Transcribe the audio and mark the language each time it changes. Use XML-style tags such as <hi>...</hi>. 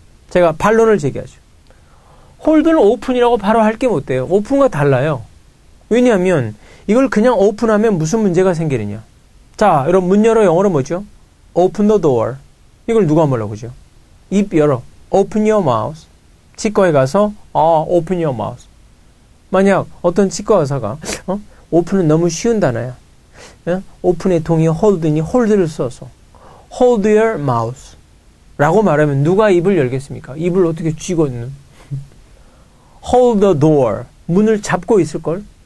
<ko>제가 반론을 제기하죠. hold는 open이라고 바로 할 게 못 돼요. open과 달라요. 왜냐하면 이걸 그냥 open하면 무슨 문제가 생기느냐. 자, 여러분 문 열어 영어로 뭐죠?</ko> <en>open the door.</en> <ko>이걸 누가 뭐라고 그러죠? 입 열어.</ko> <en>open your mouth.</en> <ko>치과에 가서</ko> <en>open your mouth.</en> <ko>만약 어떤 치과 의사가 오픈은 너무 쉬운 단어야. 예? 오픈의 동의 hold이니 hold를 써서</ko> <en>hold your mouth</en> <ko>라고 말하면 누가 입을 열겠습니까? 입을 어떻게 쥐고 있는</ko> <en>hold the door</en> <ko>문을 잡고 있을걸?</ko>